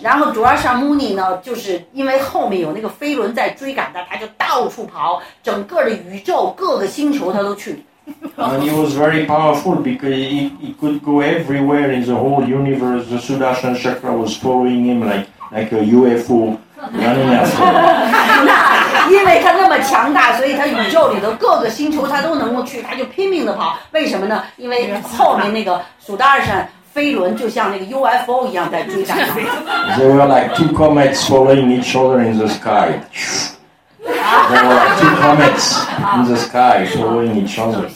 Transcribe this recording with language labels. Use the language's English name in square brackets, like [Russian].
[Chinese] 然后 Dwarsha Muni 呢，就是因为后面有那个飞轮在追赶他，他就到处跑，整个的宇宙各个星球他都去。 [English] And he was very powerful because he could go everywhere in the whole universe. The Sudarshan Chakra was following him like a UFO running after him. [Chinese] 因为他那么强大，所以他宇宙里的各个星球他都能够去，他就拼命的跑。为什么呢？因为后面那个Sudarshan飞轮就像那个UFO一样在追赶他。 [English] They were like two comets following each other in the sky. There were two comets in the sky following each other.